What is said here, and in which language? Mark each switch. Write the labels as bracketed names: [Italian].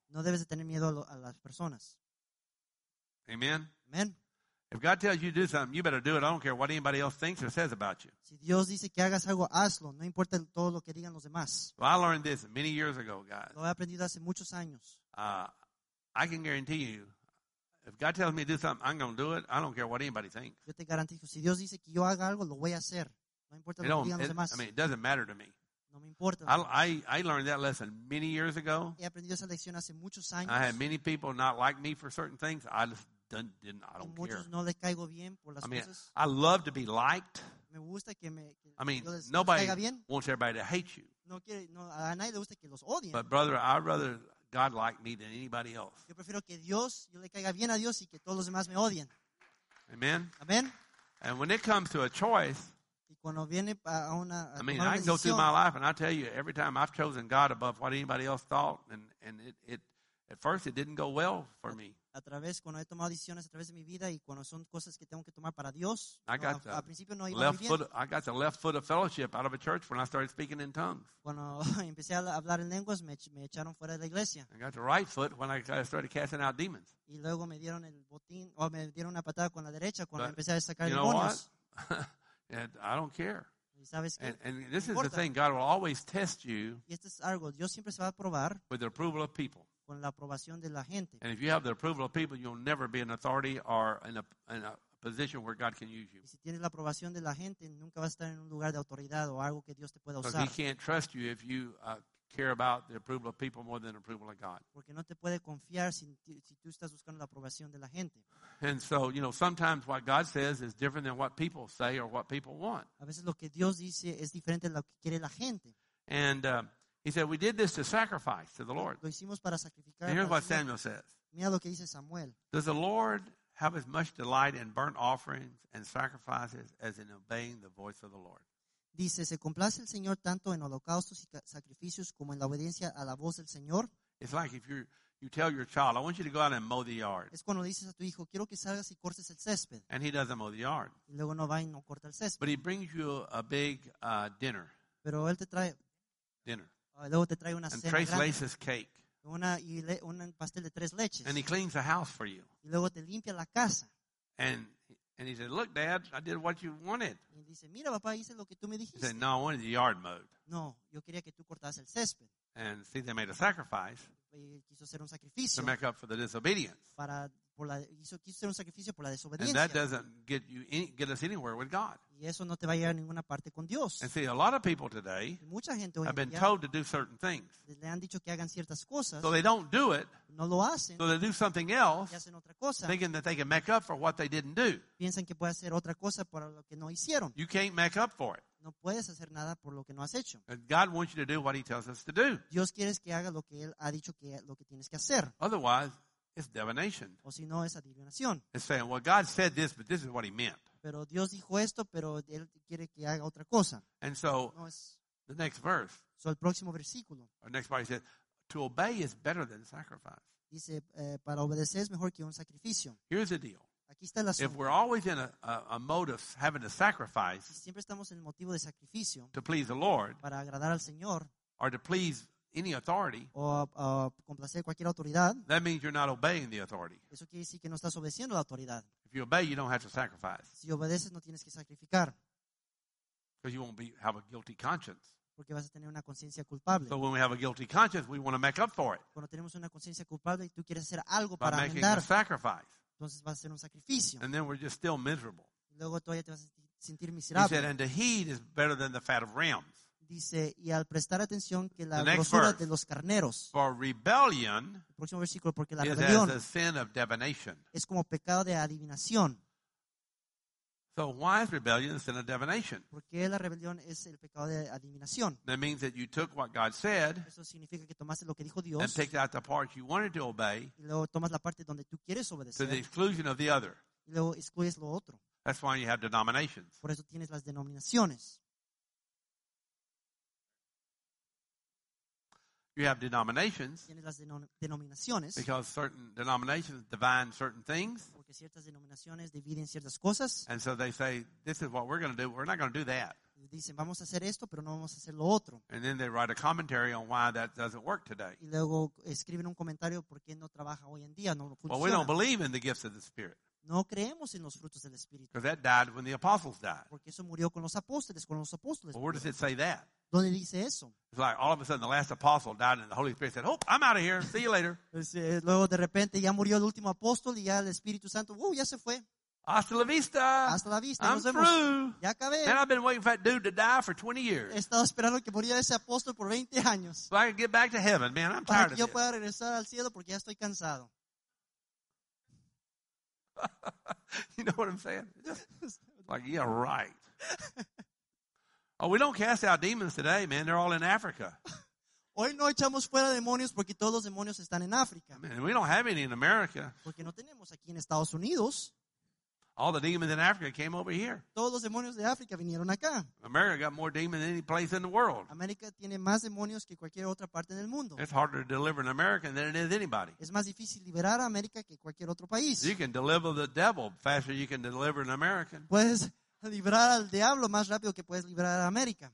[Spanish] No debes de tener miedo a las personas. [English] Amen? Amen. If God tells you to do something, you better do it. I don't care what anybody else thinks or says about you. [Spanish] Si Dios dice que hagas algo, hazlo. No importa todo lo que digan los demás. [English] Well, I learned this many years ago, guys. [Spanish] Lo he aprendido hace muchos años. [English] I can guarantee you, if God tells me to do something, I'm going to do it. I don't care what anybody thinks. [Spanish] Yo te garantizo, si Dios dice que yo haga algo, lo voy a hacer. No importa lo que digan los demás. [English] I mean, it doesn't matter to me. [Spanish] No me importa. [English] I learned that lesson many years ago. [Spanish] He aprendido esa lección hace muchos años. [English] I had many people not like me for certain things. I don't care. [Spanish] No les caigo bien por las [English] I mean, [Spanish] cosas. [English] I love to be liked. [Spanish] Me gusta que me, que [English] I mean, [Spanish] les, [English] nobody [Spanish] caiga bien. [English] Wants everybody to hate you. [Spanish] No quiere, no, a nadie le gusta que los odien. [English] But brother, I'd rather God like me than anybody else. [Spanish] Yo prefiero que Dios, yo le caiga bien a Dios y que todos los demás me odien. [English] Amen. Amen. And when it comes to a choice, [Spanish] y cuando viene a una, a una [English] I mean, [Spanish] una [English] I can [Spanish] decisión, [English] go through my life and I tell you, every time I've chosen God above what anybody else thought, and it at first it didn't go well for me. [Spanish] A través, cuando he tomado decisiones a través de mi vida y cuando son cosas que tengo que tomar para Dios, al principio no iba bien. [English] I got the left foot of fellowship out of a church when I started speaking in tongues. [Spanish] Cuando empecé a hablar en lenguas, me echaron fuera de la iglesia. [English] I got the right foot when I started casting out demons. [Spanish] Y luego me dieron el botín, o me dieron una patada con la derecha cuando [English] But [Spanish] empecé a sacar demonios. [English] You know demonios. What? I don't care. [Spanish] ¿Y sabes qué? [English] And this is the thing, God will always test you [Spanish] y esto es algo, Dios siempre se va a probar [English] with the approval of people. [Spanish] Con la aprobación de la gente. [English] And if you have the approval of people, you'll never be an authority or in a position where God can use you. [Spanish] Y si tienes la aprobación de la gente, nunca vas a estar en un lugar de autoridad o algo que Dios te pueda usar. [English] Because He can't trust you if you care about the approval of people more than the approval of God. [Spanish] Porque no te puede confiar si tú estás buscando la aprobación de la gente. [English] And so, you know, sometimes what God says is different than what people say or what people want. [Spanish] A veces lo que Dios dice es diferente a lo que quiere la gente. [English] And He said, we did this to sacrifice to the Lord. [Spanish] Lo hicimos para sacrificar. [English] And here's what Samuel says. [Spanish] Mira lo que dice Samuel. [English] Does the Lord have as much delight in burnt offerings and sacrifices as in obeying the voice of the Lord? [Spanish] Dice, ¿se complace el Señor tanto en holocaustos y sacrificios como en la obediencia a la voz del Señor? [English] It's like if you tell your child, I want you to go out and mow the yard. [Spanish] Es cuando dices a tu hijo, quiero que salgas y cortes el césped. [English] And he doesn't mow the yard. [Spanish] Y luego no va y no corta el césped. [English] But he brings you a big dinner. [Spanish] Pero él te trae [English] dinner. [Spanish] Luego te trae una [English] and [Spanish] cena [English] Trace [Spanish] grande. [English] Lays his cake. [Spanish] Un pastel de tres leches. [English] And he cleans the house for you. [Spanish] Y luego te limpia la casa. [English] And he said, look, Dad, I did what you wanted. [Spanish] Y dice, mira, papá, hice lo que tú me dijiste. [English] He said, no, I wanted the yard mowed. [Spanish] No, yo quería que tú cortas el césped. [English] And see, they made a sacrifice. [Spanish] Y quiso hacer un sacrificio. [English] To make up for the disobedience. [Spanish] Quiso hacer un sacrificio por la desobediencia. [English] And that doesn't get us anywhere with God. [Spanish] Y eso no te va a llevar a ninguna parte con Dios. [English] And see, a lot of people today have been told to do certain things. [Spanish] Le han dicho que hagan ciertas cosas. [English] So they don't do it. [Spanish] No lo hacen. [English] So they do something else. [Spanish] Y hacen otra cosa. [English] Thinking that they can make up for what they didn't do. [Spanish] Piensan que puede hacer otra cosa por lo que no hicieron. [English] You can't make up for it. [Spanish] No puedes hacer nada por lo que no has hecho. [English] And God wants you to do what He tells us to do. [Spanish] Dios quiere que haga lo que Él ha dicho que lo que tienes que hacer. [English] Otherwise, it's divination. [Spanish] O si no, es adivinación. [English] It's saying, well, God said this, but this is what He meant. [Spanish] Pero Dios dijo esto, pero Él quiere que haga otra cosa. [English] And so, [Spanish] no es, [English] the next verse. [Spanish] So el próximo versículo. [English] Our next part, He said, to obey is better than sacrifice. [Spanish] Dice, para obedecer es mejor que un sacrificio. [English] Here's the deal. [Spanish] Aquí está el asunto. [English] If we're always in a mode of having to sacrifice, [Spanish] si siempre estamos en el motivo de sacrificio, [English] to please the Lord, [Spanish] para agradar al Señor, [English] or to please any authority, [Spanish] complacer cualquier autoridad, [English] that means you're not obeying the authority. [Spanish] Eso quiere decir que no estás obedeciendo la autoridad. [English] If you obey, you don't have to sacrifice. [Spanish] Si obedeces, no tienes que sacrificar. [English] Because you won't have a guilty conscience. [Spanish] Porque vas a tener una conciencia culpable. [English] So when we have a guilty conscience, we want to make up for it. [Spanish] Cuando tenemos una conciencia culpable y tú quieres hacer algo [English] by [Spanish] para [English] making [Spanish] amendar, [English] a sacrifice. [Spanish] Entonces vas a hacer un sacrificio. [English] And then we're just still miserable. [Spanish] Luego todavía te vas a sentir miserable. [English] He said, and the heat is better than the fat of rams. [Spanish] Dice, y al prestar atención que la grosura de los carneros. [English] For rebellion, [Spanish] el próximo versículo, porque la rebelión [English] is as a sin of divination. [Spanish] Es como pecado de adivinación. [English] So why is rebellion a sin of divination? [Spanish] ¿Por qué la rebelión es el pecado de adivinación? [English] That means that you took what God said. [Spanish] Eso significa que tomaste lo que dijo Dios. [English] And take out the part you wanted to obey. [Spanish] Y luego tomas la parte donde tú quieres obedecer. [English] To the exclusion of the other. [Spanish] Y luego excluyes lo otro. [English] That's why you have denominations. [Spanish] Por eso tienes las denominaciones. [English] You have denominations. [Spanish] Tienes las denominaciones. [English] Because certain denominations divide certain things. [Spanish] Porque ciertas denominaciones dividen ciertas cosas. [English] And so they say, this is what we're going to do. We're not going to do that. [Spanish] Dicen, vamos a hacer esto, pero no vamos a hacer lo otro. [English] And then they write a commentary on why that doesn't work today. [Spanish] Y luego escriben un comentario por qué no trabaja hoy en día, no funciona. [English] Well, we don't believe in the gifts of the Spirit. [Spanish] No creemos en los frutos del Espíritu. [English] Because that died when the apostles died. [Spanish] Porque eso murió con los apóstoles, con los apóstoles. [English] Well, where does it say that? [Spanish] ¿Dónde dice eso? [English] It's like all of a sudden the last apostle died and the Holy Spirit said, oh, I'm out of here. See you later. [Spanish] Luego de repente ya murió el último apóstol y ya el Espíritu Santo, ya se fue. Hasta la vista. Hasta la vista. [English] I'm through. [Spanish] Ya acabé. [English] Man, I've been waiting for that dude to die for 20 years. [Spanish] He estado esperando que muriera ese apóstol por 20 años. [English] So I can get back to heaven, man. I'm tired of this. [Spanish] Yo pueda regresar al cielo porque ya estoy cansado. [English] You know what I'm saying? Like, yeah, right. Oh, we don't cast out demons today, man. They're all in Africa. [Spanish] Hoy no echamos fuera demonios porque todos los demonios están en África. [English] Man, we don't have any in America. [Spanish] Porque no tenemos aquí en Estados Unidos. [English] All the demons in Africa came over here. [Spanish] Todos los demonios de África vinieron acá. [English] America got more demons than any place in the world. [Spanish] América tiene más demonios que cualquier otra parte del mundo. [English] It's harder to deliver in America than it is anybody. [Spanish] Es más difícil liberar a América que cualquier otro país. [English] You can deliver the devil faster than you can deliver an American. [Spanish] Puedes liberar al diablo más rápido que puedes liberar a América.